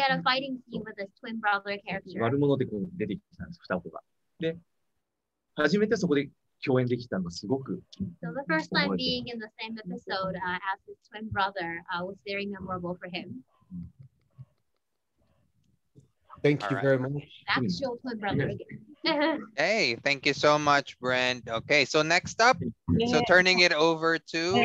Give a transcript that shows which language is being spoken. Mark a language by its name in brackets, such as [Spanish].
[English] had a fighting scene with his twin brother character. [Japanese] 悪者でこう出てきたんです、双子が。で、初めてそこで共演できたのがすごく。So [English] the first time being in the same episode as his twin brother was very memorable for him. Thank you very much. Actual twin brother again. Hey, thank you so much, Brent. Okay, so next up, so turning it over to...